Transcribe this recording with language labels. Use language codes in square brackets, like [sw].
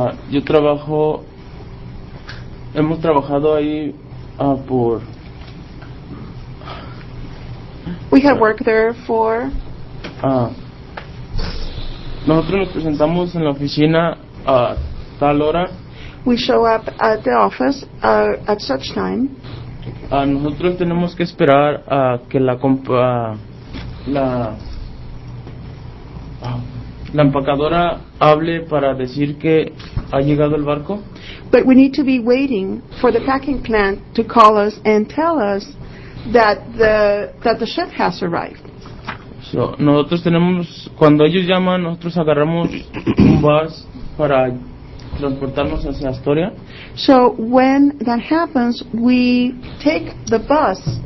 [es] Yo trabajo hemos trabajado ahí por. [en] We had worked there for. [es] Nosotros nos presentamos en la oficina a tal hora. [en] We show up at the office at such time. [es] Nosotros tenemos que esperar a que la la empacadora hable para decir que ha llegado el barco. [en] But we need to be waiting for the packing plant to call us and tell us that the ship has arrived. [es] So, nosotros tenemos, cuando ellos llaman, nosotros agarramos un bus para transportarnos hacia Astoria. [en] So when that happens, we take the bus.